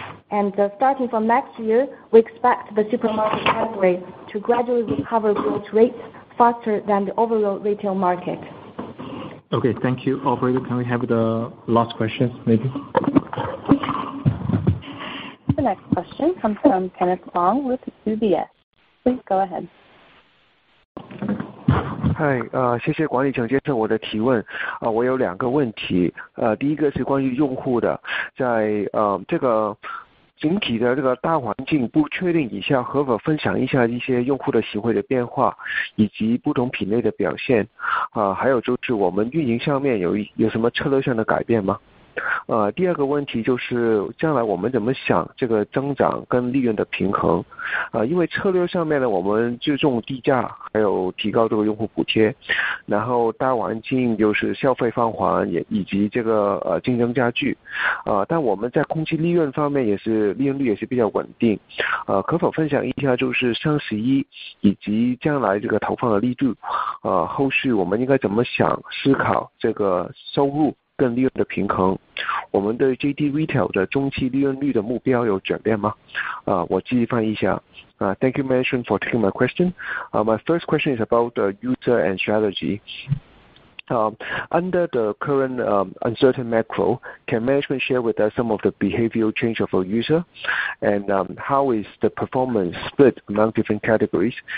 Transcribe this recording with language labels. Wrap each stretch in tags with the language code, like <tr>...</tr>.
<en>And starting from next year, we expect the supermarket category to gradually recover growth rates faster than the overall retail market. Okay, thank you. Operator, can we have the last question, maybe? The next question comes from Kenneth Fong with UBS. Please go ahead.</en> <zh>Hi, 谢谢管理层接受我的提问，我有两个问题，第一个是关于用户的，在这个整体的这个大环境不确定以下，可否分享一下一些用户的行为的变化以及不同品类的表现？还有就是我们运营上面有什么策略上的改变吗？第二个问题就是将来我们怎么想这个增长跟利润的平衡？因为策略上面呢，我们注重低价，还有提高这个用户补贴，然后大环境就是消费放缓，也以及这个竞争加剧，但我们在空气利润方面也是利润率也是比较稳定，可否分享一下就是双十一以及将来这个投放的力度，后续我们应该怎么想思考这个收入更利润的平衡，我们对 JD Retail 的中期利润率的目标有转变吗？我继续翻译一下。</zh> <en>Thank you, management, for taking my question. My first question is about the user and strategy. Under the current uncertain macro, can management share with us some of the behavioral change of a user? And how is the performance split among different categories?</en>